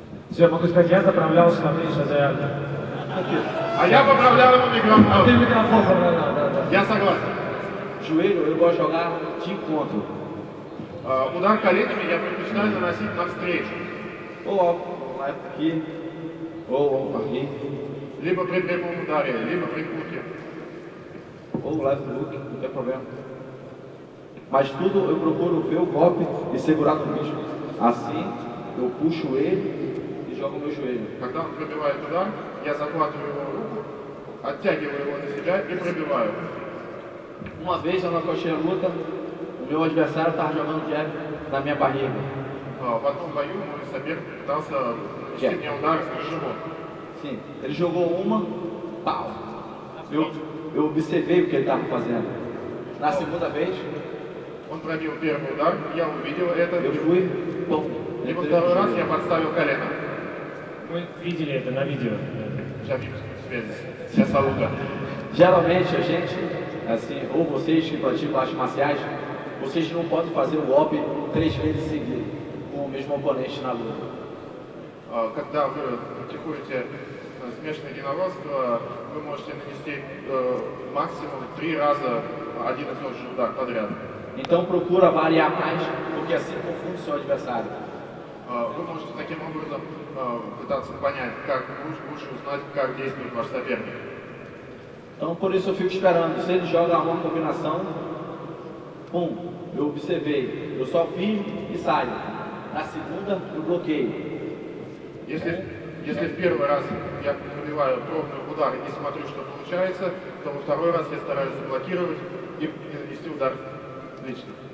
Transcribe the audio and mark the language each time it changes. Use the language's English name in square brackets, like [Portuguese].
[Russian] Я могу сказать, я заправлялся на ближайшее заявление. А я поправлял ему микрофон. Ты микрофон поправлял, да. Я согласен. [Portuguese] Joelho, eu gosto de jogar de encontro. Mudar [Russian] коленями, я предпочитаю наносить навстречу. [Portuguese] Ou aqui, ou aqui. [Russian] Либо при прямом ударе, либо при куке. [Portuguese] Ou left hook, não tem problema. Mas tudo eu procuro ver o golpe e segurar no bicho. Assim, eu puxo ele e jogo meu joelho. [Russian] Когда он пробивает удар, я захватываю его руку, оттягиваю его на себя и пробиваю. [Portuguese] Uma vez eu não coxei a luta, o meu adversário estava jogando jab na minha barriga. [Russian] Потом бою мой соперник пытался нанести мне удар в живот. [Portuguese] Sim, ele jogou uma, pau. Eu observei o que ele estava fazendo. Na segunda vez, [Russian] он пробил первый удар, я увидел это. [Portuguese] Eu fui, pum. [Russian] И во второй раз я подставил колено. Мы видели это на видео. [Portuguese] Já vimos, essa luta. Geralmente a gente assim, ou vocês que praticam artes marciais, vocês não podem fazer o golpe três vezes seguidas com o mesmo oponente na luta. [Russian] Когда вы практикуете смешанное единоборство, вы можете нанести максимум три раза один и тот же удар подряд. [Portuguese] Então procura variar mais, porque assim confunde seu adversário. [Russian] Вы можете таким образом пытаться понять, как лучше узнать, как действует ваш соперник. [Portuguese] Então por isso eu fico esperando, se ele joga uma combinação, pum, eu observei, eu só firmo e saio. Na segunda eu bloqueio. Se no primeiro [Russian] раз я пробиваю пробный удар и смотрю, что получается, то во второй раз я стараюсь заблокировать и нанести удар лично.